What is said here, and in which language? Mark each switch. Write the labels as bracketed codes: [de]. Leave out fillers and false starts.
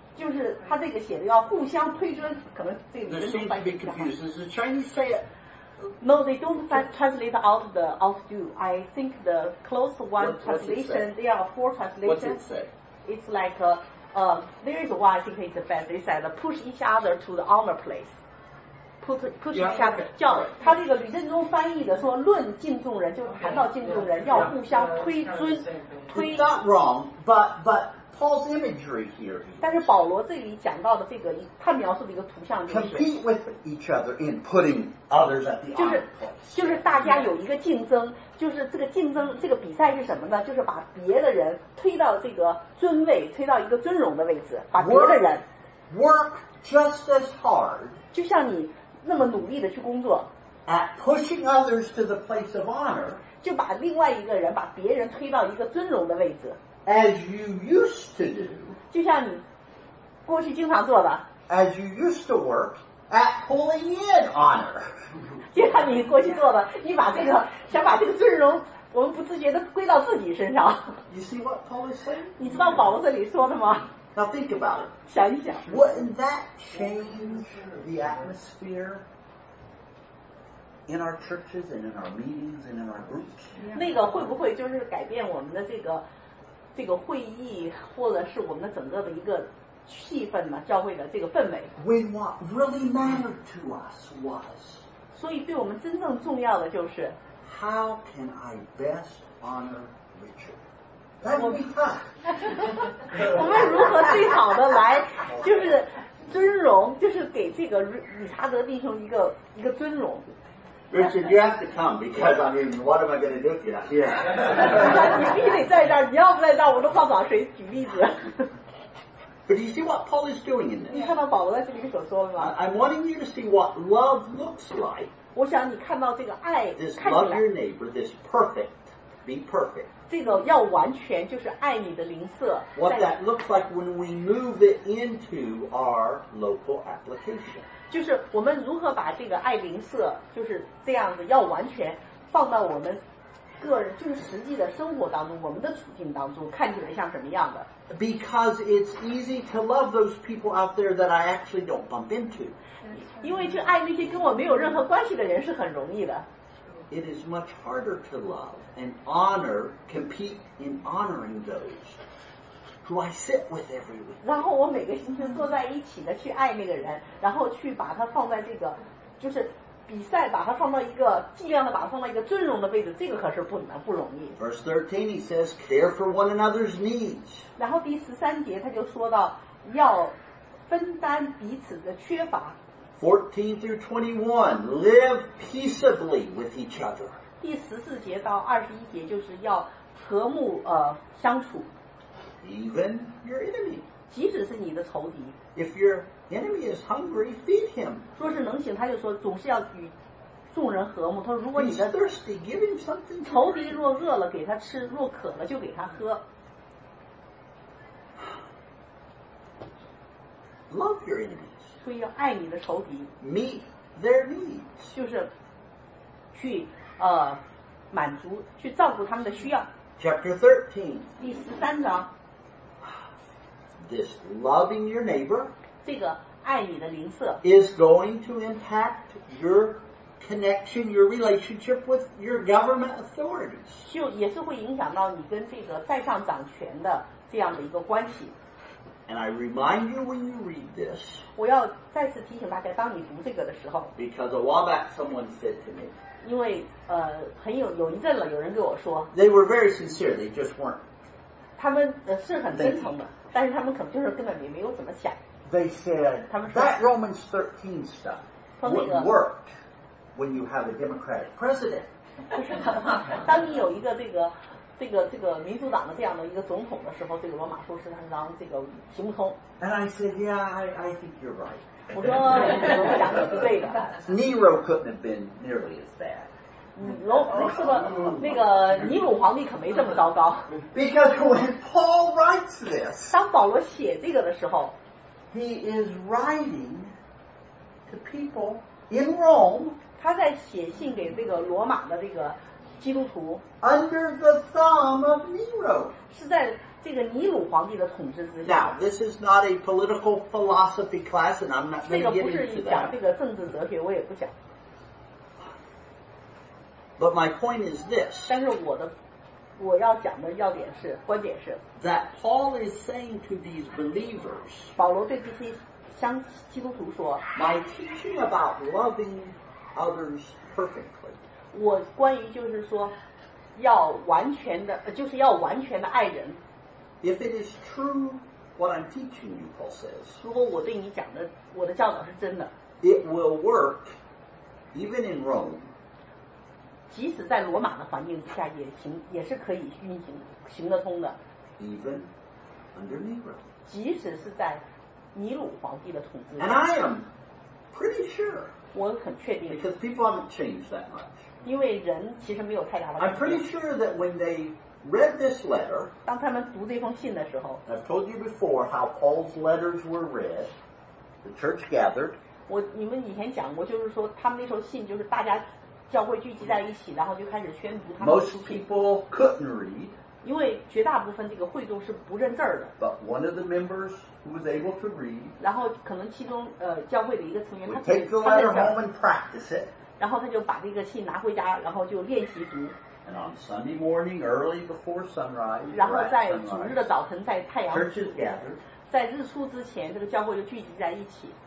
[zh] 就是他这个写的要互相推尊，可能这里面翻译不好。 [en] Does Chinese say it? No, they don't translate out the outdo. I think the close one what, translation, there are four translations. What's it say? It's like, there is one, I think it's the best. They said, push each other to the honor place. Push yeah, each other. [zh] 叫他这个吕振中翻译的说论敬重人，就谈到敬重人 [en] okay, yeah, [zh] 要互相推尊 [en] yeah, yeah, [zh] 推。 [en] It's not wrong, but Paul's imagery here. [zh] 但是保罗这里讲到的这个，他描述的一个图像就是 [en] compete with each other in putting others at the honor place. [zh] 就是大家有一个竞争，就是这个竞争，这个比赛是什么呢？就是把别的人推到这个尊位，推到一个尊荣的位置，把别的人 [en] work just as hard. [zh] 就像你那么努力的去工作 [en] at pushing others to the place of honor. [zh] 就把另外一个人，把别人推到一个尊荣的位置。 [en] As you used to do, [zh] 就像你过去经常做的 [en] as you used to work at pulling in honor. [zh] 就像你过去做的，你把这个想把这个尊荣，我们不自觉的归到自己身上。 [en] You see what Paul is saying? [zh] 你知道保罗这里说的吗？ [en] Now think about it. [zh] 想一想。 [en] Wouldn't that change the atmosphere in our churches and in our meetings and in our groups? [zh] 那个会不会就是改变我们的这个会议，或者是我们的整个的一个气氛呢？教会的这个氛围。 [en] When what really mattered to us was. [zh] 所以对我们真正重要的就是。 [en] How can I best honor Richard? That would be fun. [zh] 我们如何最好的来就是尊荣，就是给这个理查德弟兄一个尊荣。 [en] Richard, you have to come because I mean, what am I going to do if you're not here? [zh] 你必须得在这儿，你要不在这儿，我都不知道找谁举例子。 [en] But you see what Paul is doing in this. [zh] 你看到保罗在这里所说的吗？ [en] I'm wanting you to see what love looks like. [zh] 我想你看到这个爱。 [en] This love your neighbor, this perfect, be perfect. [zh] 这个要完全就是爱你的邻舍。 [en] What that looks like when we move it into our local application. [zh] 就是我们如何把这个爱邻舍就是这样子要完全放到我们个人就是实际的生活当中，我们的处境当中看起来像什么样的。 [en] Because it's easy to love those people out there that I actually don't bump into. [zh] 因为就爱那些跟我没有任何关系的人是很容易的。 [en] It is much harder to love and honor, compete in honoring those who I sit with every week. [zh] 然后我每个星期坐在一起的去爱那个人，然后去把他放在这个就是比赛，把他放到一个尽量的把他放到一个尊荣的位置，这个可是不容易。 [en] Verse 13 he says care for one another's needs. [zh] 然后第十三节他就说到要分担彼此的缺乏。 [en] 14 through 21 live peaceably with each other. [zh] 第十四节到二十一节就是要和睦相处。 [en] Even your enemy. [zh] 即使是你的仇敌。 [en] If your enemy is hungry, feed him. [zh] 若是能行，他就说总是要与众人和睦。他说如果你的 [en] He's thirsty, give him something. [zh] 仇敌若饿了，给他吃；若渴了，就给他喝。 [en] Love your enemies. [zh] 所以要爱你的仇敌。 [en] Meet their needs. [zh] 就是去满足，去照顾他们的需要。 [en] Chapter 13. [zh] 第十三章。 [en] This loving your neighbor [zh] 这个爱你的邻舍 [en] is going to impact your connection, your relationship with your government authorities. [zh] 就也是会影响到你跟这个在上掌权的这样的一个关系。 [en] And I remind you when you read this, [zh] 我要再次提醒大家，当你读这个的时候 [en] because a while back someone said to me, [zh] 因为很有一阵了，有人跟我说 [en] they were very sincere, they just weren't. [zh] 他们是很真诚的。但是他们可能就是根本也没有怎么想。 [en] They said, [zh] 他们说 [en] that Romans 13 stuff would work when you have a Democratic president. [zh] 当你有一个这个民主党的这样的一个总统的时候，这个罗马书十三章这个行不通。 [en] And I said, yeah, I think you're right. [zh] 我说我讲的是对的。 [en] Nero couldn't have been nearly as bad. [zh] 尼鲁皇帝可没这么糟糕。 [en] Because when Paul writes this, [zh] 当保罗写这个的时候 [en] he is writing to people in Rome, [zh] 他在写信给这个罗马的这个基督徒 [en] under the thumb of Nero, [zh] 是在这个尼鲁皇帝的统治之下。 [en] Now, this is not a political philosophy class, and I'm not going to get into that. [zh] 这个不是讲这个政治哲学，我也不讲。 [en] But my point is this. [zh] 但是我要讲的要点是观点是 [en] that Paul is saying to these believers. [zh] 保罗对这些相基督徒说 [en] my teaching about loving others perfectly. [zh] 我关于就是说要完全的就是要完全的爱人。 [en] If it is true what I'm teaching you, Paul says. [zh] 如果我对你讲的我的教导是真的 [en] it will work even in Rome. [zh] 即使在罗马的环境下也行也是可以运行行得通的 [en] even under Nero [zh] 即使是在尼鲁皇帝的统治 [en] and I am pretty sure [zh] 我很确定 [en] because people haven't changed that much [zh] 因为人其实没有太大的 [en] I'm pretty sure that when they read this letter [zh] 当他们读这封信的时候 [en] I've told you before how Paul's letters were read the church gathered [zh] 我你们以前讲过，就是说他们那时候信，就是大家教会聚集在一起，然后就开始宣读他们。 [en] Most people couldn't read. [zh] 因为绝大部分这个会众是不认字儿的。 [en] But one of the members who was able to read. [zh] 然后可能其中教会的一个成员，他 [en] take the letter home and practice it. [zh] 然后他就把这个信拿回家，然后就练习读。 [en] And on Sunday morning, early before sunrise. [zh] 然后在主日的早晨，在太阳 [en] churches gathered. [zh] 在日出之前，这个教会就聚集在一起。